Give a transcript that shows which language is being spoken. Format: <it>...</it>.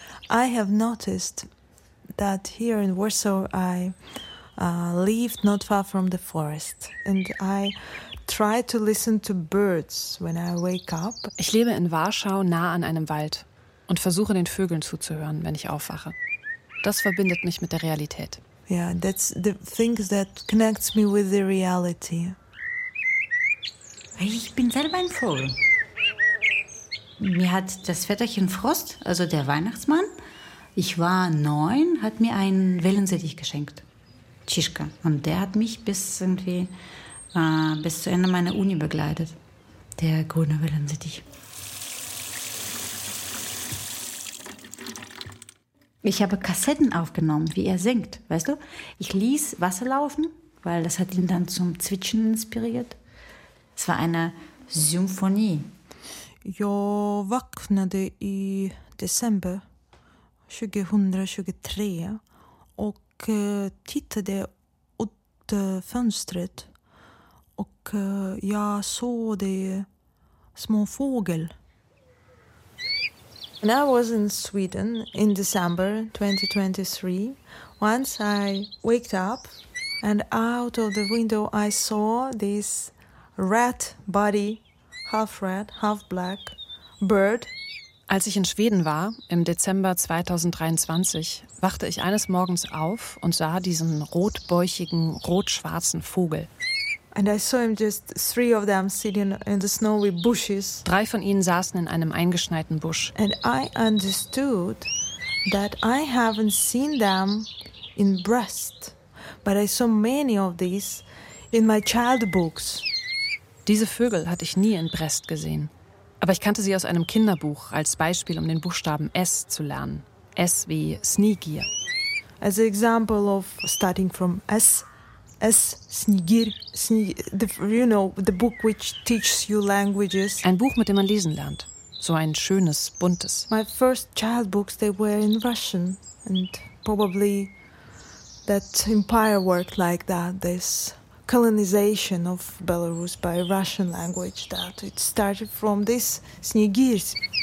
<en>I have noticed that here in Warsaw I lived not far from the forest. And I try to listen to birds when I wake up.</en> <de>Ich lebe in Warschau nah an einem Wald und versuche den Vögeln zuzuhören, wenn ich aufwache. Das verbindet mich mit der Realität.</de> <en>Yeah, that's the thing that connects me with the reality.</en> <de>Ich bin selber ein Vogel. Mir hat das Vetterchen Frost, also der Weihnachtsmann, ich war 9, hat mir einen Wellensittich geschenkt. Tschischka. Und der hat mich bis zu Ende meiner Uni begleitet. Der grüne Wellensittich. Ich habe Kassetten aufgenommen, wie er singt, weißt du? Ich ließ Wasser laufen, weil das hat ihn dann zum Zwitschern inspiriert. Es war eine Symphonie.</de> <sv>Jo wachnade i december 2023 och tittade ut fönstret och jag såg de små fågel.</sv> <en>When I was in Sweden in December 2023, once I waked up and out of the window I saw this rat body, half red, half black, bird.</en> <de>Als ich in Schweden war, im Dezember 2023, wachte ich eines Morgens auf und sah diesen rotbäuchigen, rot-schwarzen Vogel.</de> <en>And I saw him just three of them sitting in the snowy bushes.</en> <de>Drei von ihnen saßen in einem eingeschneiten Busch.</de> <en>And I understood that I haven't seen them in Brest, but I saw many of these in my child books.</en> <de>Diese Vögel hatte ich nie in Brest gesehen. Aber ich kannte sie aus einem Kinderbuch als Beispiel, um den Buchstaben S zu lernen. S wie Snigir.</de> <en>As an example of starting from S, S, Snigir, Snigir, the, you know, the book which teaches you languages.</en> <de>Ein Buch, mit dem man lesen lernt. So ein schönes, buntes.</de> <en>My first child books, they were in Russian. And probably that empire worked like that, this colonization of Belarus by Russian language, that it started from this Snegirs.</en>